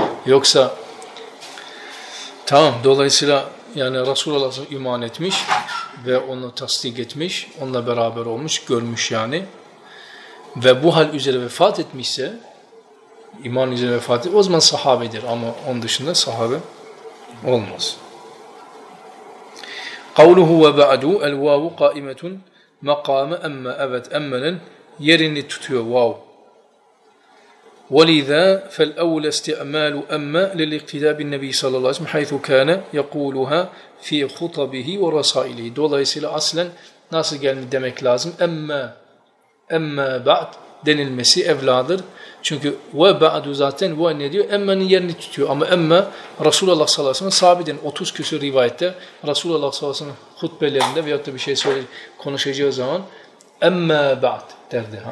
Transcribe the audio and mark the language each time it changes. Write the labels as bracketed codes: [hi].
[tr] Yoksa tamam, dolayısıyla yani Resulullah iman etmiş ve onu tasdik etmiş, onunla beraber olmuş, görmüş yani ve bu hal üzere vefat etmişse, iman üzere vefat etmiş, o zaman sahabidir ama onun dışında sahabe olmaz. [ar] قَوْلُهُ وَبَعَدُوا الْوَاوُ قَائِمَةٌ مَقَامَ اَمَّا اَوَتْ اَمَّنَنْ [tr] yerini tutuyor vav. [ar] وَلِذَا فَالْاَوْلَ اسْتِعْمَالُ اَمَّا لِلِقْتِدَابِ النَّبِي صَلَى اللّٰهِ وَسَلَّمْ حَيْثُ كَانَ يَقُولُهَا فِي خُطَبِهِ وَرَسَائِلِهِ [tr] dolayısıyla aslen nasıl gelmiş demek lazım? اَمَّا بَعْد denilmesi evladır. Çünkü وَبَعْدُ zaten ve ne diyor? اَمَّنِ yerini tutuyor. Ama اَمَّا Resulullah sallallahu aleyhi ve sellem sabiden 30 küsur rivayette Resulullah sallallahu aleyhi ve sellem hutbelerinde veyahut da bir şey söyleyip konuşacağı zaman اَمَّا بَعْد derdi.